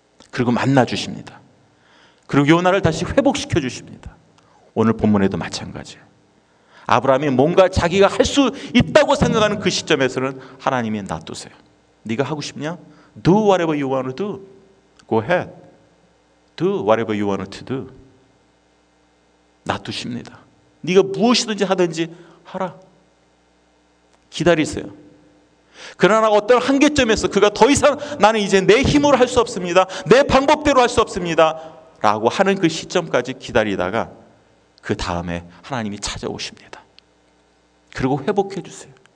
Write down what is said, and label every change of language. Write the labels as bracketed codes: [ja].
[ko] 그리고 만나주십니다. 그리고 요나를 다시 회복시켜주십니다. 오늘 본문에도 마찬가지예요. 아브라함이 뭔가 자기가 할 수 있다고 생각하는 그 시점에서는 하나님이 놔두세요. 네가 하고 싶냐? [en] Do whatever you want to do. Go ahead. Do whatever you want to do. [ko] 놔두십니다. 네가 무엇이든지 하든지 하라. 기다리세요. 그러나 어떤 한계점에서 그가 더 이상 나는 이제 내 힘으로 할 수 없습니다. 내 방법대로 할 수 없습니다. 라고 하는 그 시점까지 기다리다가 그 다음에 하나님이 찾아오십니다. 그리고 회복해 주세요.